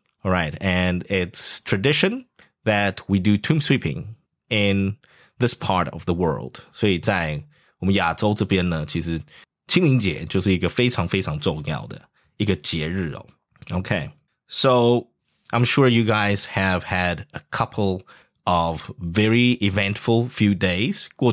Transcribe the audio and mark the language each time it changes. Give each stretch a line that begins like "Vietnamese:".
English: All right, and it's tradition that we do tomb sweeping in this part of the world.
Chinese: 所以在我们亚洲这边呢, 其实清明节就是一个非常非常重要的一个节日哦.
English: Okay, so I'm sure you guys have had a couple of very eventful few days.